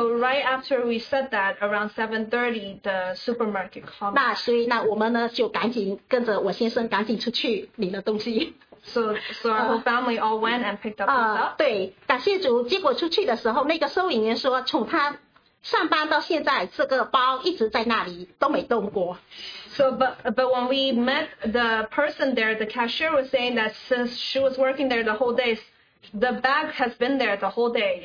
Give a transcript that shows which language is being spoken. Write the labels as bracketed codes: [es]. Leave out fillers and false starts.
[en] right after we said that, around 7:30, the supermarket called. [zh] 那所以呢，我们呢就赶紧跟着我先生赶紧出去领了东西。So [en] our whole family all went and picked up stuff. [zh] 对，感谢主。结果出去的时候，那个收银员说，从他上班到现在，这个包一直在那里都没动过。So [en] but when we met the person there, the cashier was saying that since she was working there the whole day. The bag has been there the whole day.